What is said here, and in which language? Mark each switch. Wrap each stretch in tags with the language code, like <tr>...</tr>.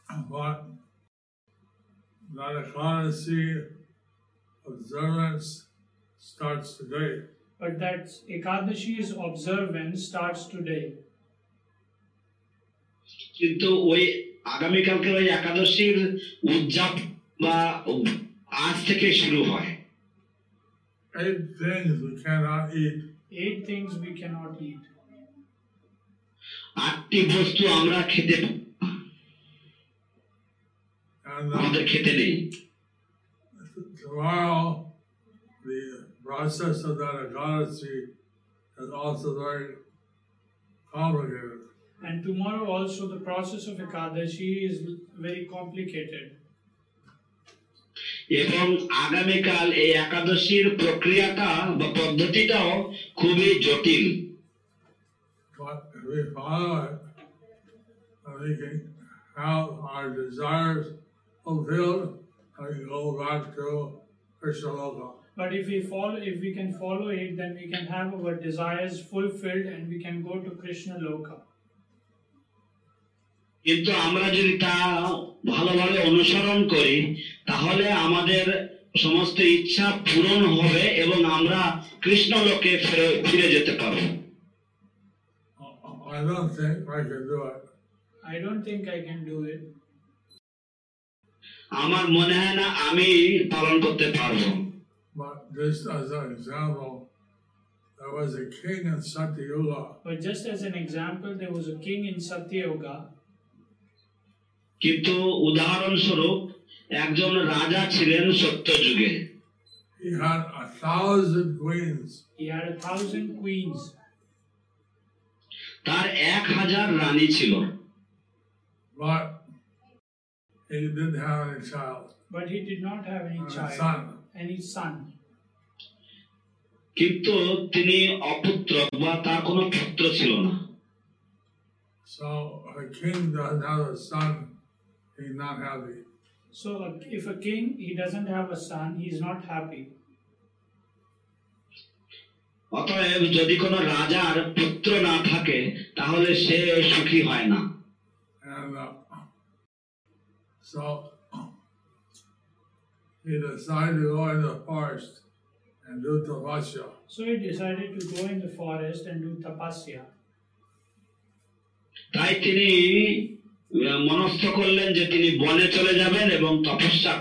<en>But that Ekadasi observance starts today. But that Ekadasi's observance starts today.</en> <bn>কিন্তু ওই আগামী কালকের ওই একাদশীর উদযাপ বা আজ থেকে শুরু হয়.</bn> <en>Eight things we cannot eat. Eight things we cannot eat.</en> <bn>আটটি বস্তু আমরা খেতে আমাদের খেতে নেই.</bn> <en>Tomorrow, the process of that ecology is also very complicated. And tomorrow also the process of Ekadashi is very complicated.</en> <bn>এবং আগামী কাল এই একাদশীর প্রক্রিয়াটা বা পদ্ধতিটাও খুবই জটিল.</bn> <en>But if we follow it, we can have our desires fulfilled and go back to Krishna Loka. But if we follow, if we can follow it, then we can have our desires fulfilled and we can go to Krishna Loka.</en> <bn>কিন্তু আমরা যদি তা ভালোভাবে অনুসরণ করি তাহলে আমাদের সমস্ত ইচ্ছা পূরণ হবে এবং আমরা কৃষ্ণ লোকে ফিরে যেতে পারব.</bn> <en>I don't think I can do it. I don't think I can do it.</en> <bn>আমার মনে হয় না আমি পালন করতে পারব.</bn> <en>But just as an example, there was a king in Satyayuga. But just as an example, there was a king in Satyayuga.</en> <bn>কিন্তু উদাহরণস্বরূপ একজন রাজা ছিলেন সত্যযুগে.</bn> <en>He had a thousand queens. He had a thousand queens.</en> <bn>তার 1000 রানী ছিল.</bn> <en>But he didn't have any child. But he did not have any child. Any son.</en> <bn>কিন্তু তিনি অপুত্র বা তার কোনো পুত্র ছিল না.</bn> <en>So a king doesn't have a son. He's not happy. So if a king, he doesn't have a son, he is not happy.</en> <bn>অতএব যদি কোন রাজার পুত্র না থাকে তাহলে সে সুখী হয় না.</bn> <en>And so he decided to go in the forest and do tapasya. So he decided to go in the forest and do tapasya.</en> <bn>তাই তিনি মনস্থ করলেন যে তিনি বনে চলে যাবেন এবং তপস্যা</bn>